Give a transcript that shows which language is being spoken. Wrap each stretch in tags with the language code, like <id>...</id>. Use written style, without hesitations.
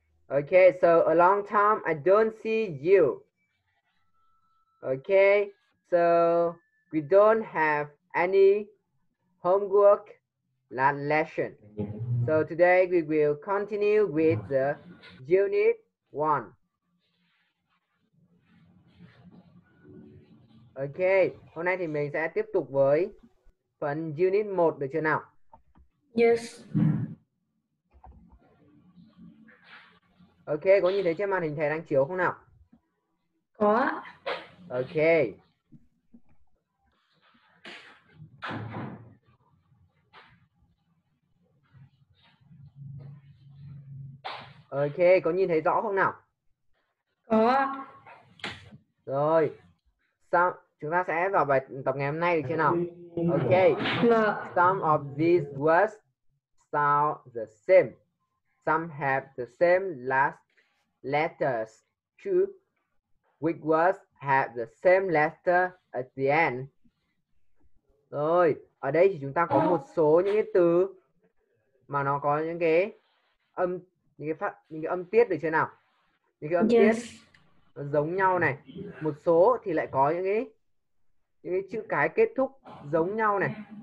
<en>Okay, so a long time I don't see you. Okay, so we don't have any homework lesson. So today we will continue with the unit one.</en> <vi>Okay, hôm nay thì mình sẽ tiếp tục với phần unit 1 được chưa nào?</vi> <en>Yes.</en> <vi>Ok, có nhìn thấy trên màn hình thầy đang chiếu không nào? Có.</vi> <en>Ok.</en> <vi>Ok, có nhìn thấy rõ không nào? Có. Rồi. Xong, chúng ta sẽ vào bài tập ngày hôm nay được chưa nào?</vi> <en>Ok.</en> <vi>Vâng.</vi> <en>Some of these words sound the same. Some have the same last letters. Two. Which words have the same letter at the end?</en> <vi>Rồi, ở đây thì chúng ta có một số những cái từ mà nó có những cái âm, những cái âm tiết được chưa nào? Những cái âm tiết</vi> <en>Yes.</en> <vi>nó giống nhau này. Một số thì lại có những cái chữ cái kết thúc giống nhau này.</vi>